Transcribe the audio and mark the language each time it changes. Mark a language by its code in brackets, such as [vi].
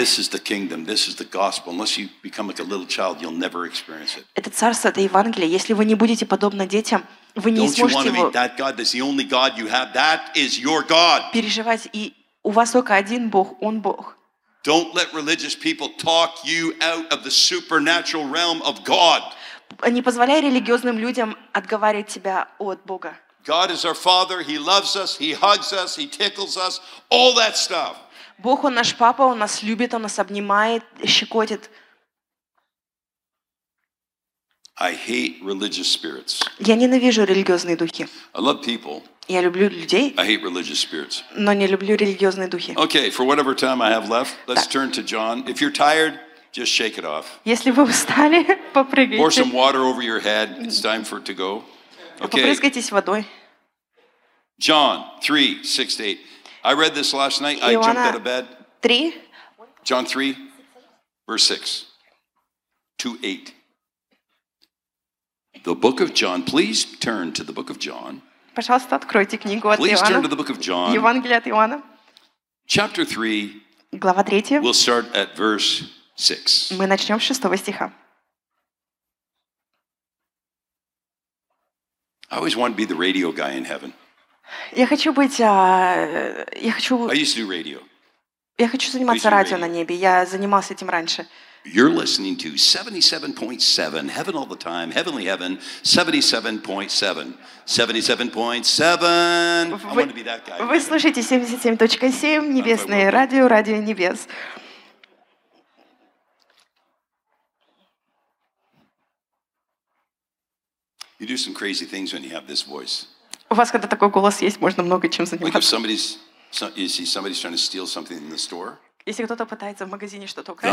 [en] This is the kingdom. This is the gospel. Unless you become like a little child, you'll never experience it. [ru] Это царство, это Евангелие. Если вы не будете подобны детям, вы не сможете его переживать. И у вас только один Бог, Он Бог. [en] Don't let religious people talk you out of the supernatural realm of God. [ru] Не позволяй религиозным людям отговаривать тебя от Бога. [en] God is our Father. He loves us. He hugs us. He tickles us. All that stuff. [ru] Бог, Он наш Папа, Он нас любит, Он нас обнимает, щекотит. [en] I hate religious spirits. [ru] Я ненавижу религиозные духи. [en] I love people. [ru] Я люблю людей. [en] I hate religious spirits. [ru] Но не люблю религиозные духи. [en] Okay, for whatever time I have left, let's turn to John. If you're tired, just shake it off. [ru] Если вы устали, попрыгайте. [en] Pour some water over your head. It's time for it to go. [ru] Okay. Попрыскайтесь водой. [en] John 3, 6 to 8. I read this last night. I jumped out of bed. John 3, verse 6 to 8. The book of John. Please turn to the book of John. [ru] Пожалуйста, откройте книгу от [en] Иоанна. Please turn to the book of John. [ru] Евангелие от Иоанна. [en] Chapter 3. [ru] Глава 3. [en] We'll start at verse 6. [ru] Мы начнем с 6 стиха. [en] I always wanted to be the radio guy in heaven. I used to do radio. [ru] Я хочу заниматься радио на небе. Я занимался этим раньше. [en] You're listening to 77.7 Heaven All the Time, Heavenly Heaven, 77.7, 77.7. I want to be that guy. [ru] Вы слушаете 77.7 Небесное радио, радио небес. [en] You do some crazy things when you have this voice. [ru] У вас когда такой голос есть, можно много чем заниматься. Если кто-то пытается в магазине что-то украсть.